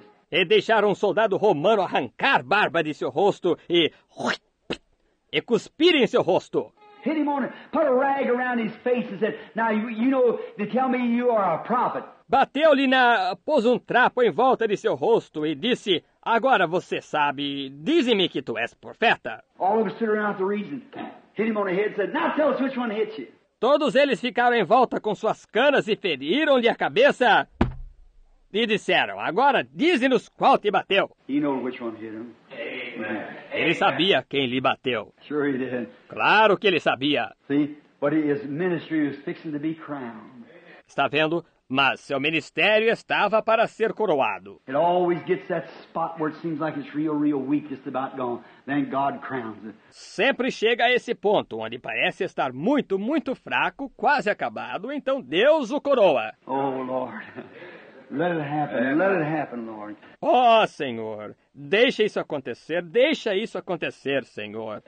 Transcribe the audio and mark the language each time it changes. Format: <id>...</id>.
<pt>E deixar um soldado romano arrancar barba de seu rosto e cuspir em seu rosto.</pt> <en>Hit him on it. Put a rag around his face and said, now, you know, to tell me you are a prophet.</en> <pt>Bateu-lhe na... pôs trapo em volta de seu rosto e disse, agora você sabe, dize-me que tu és profeta.</pt> <en>All of us stood around the reason. Hit him on the head and said, now tell us which one hit you.</en> <pt>Todos eles ficaram em volta com suas canas e feriram-lhe a cabeça e disseram, agora dize-nos qual te bateu.</pt> <en>He knew which one hit him.</en> <pt>Ele sabia quem lhe bateu.</pt> <en>Sure he did.</en> <pt>Claro que ele sabia.</pt> <en>See, but his ministry was fixing to be crowned.</en> <pt>Está vendo? Mas seu ministério estava para ser coroado.</pt> <en>It always gets that spot where it seems like it's real, real weak, just about gone. Then God crowns it.</en> <pt>Sempre chega a esse ponto onde parece estar muito, muito fraco, quase acabado, então Deus o coroa. Oh, Lord. Let it happen. Let it happen, Lord. Oh, Senhor. Deixa isso acontecer. Deixa isso acontecer, Senhor.</pt>